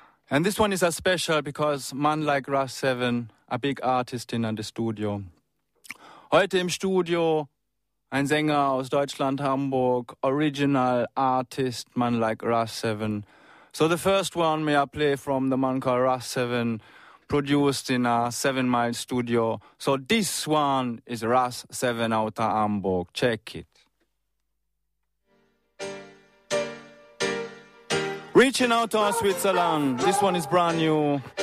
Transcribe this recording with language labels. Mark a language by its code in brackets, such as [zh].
[en] And this one is a special because man like Russ Seven, a big artist in the studio. [de] Heute im Studio ein Sänger aus Deutschland, Hamburg, [en] original artist, man like [de] Russ Seven. [en] So the first one may I play from the man called Russ Seven, produced in a 7 Mile studio. So this one is Russ Seven out of Hamburg. Check it. Reaching out to our Switzerland. This one is brand new.